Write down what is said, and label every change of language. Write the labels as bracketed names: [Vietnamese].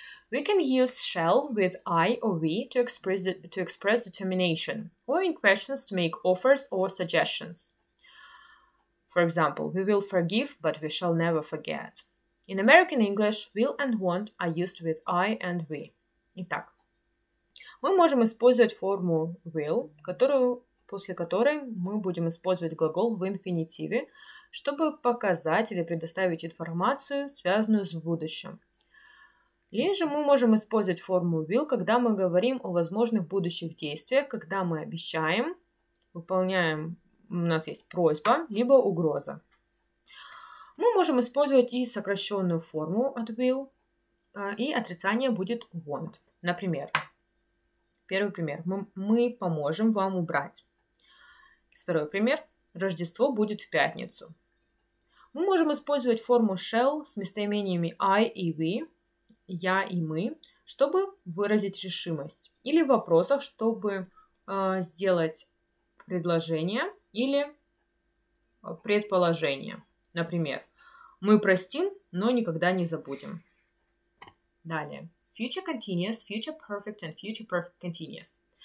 [English] We can use shall with I or we to express determination or in questions to make offers or suggestions. For example, we will forgive but we shall never forget. In American English, will and won't are used with I and we. [Russian] Итак, мы можем использовать форму will, после которой мы будем использовать глагол в инфинитиве, чтобы показать или предоставить информацию, связанную с будущим. Или же мы можем использовать форму will, когда мы говорим о возможных будущих действиях, когда мы обещаем, выполняем, у нас есть просьба, либо угроза. Мы можем использовать и сокращенную форму от will, и отрицание будет won't. Например, первый пример. Мы поможем вам убрать. Второй пример. Рождество будет в пятницу. Мы можем использовать форму shall с местоимениями I и we, я и мы, чтобы выразить решимость. Или в вопросах, чтобы сделать предложение или предположение. Например, мы простим, но никогда не забудем. Далее. [English] Future continuous, future perfect and future perfect continuous.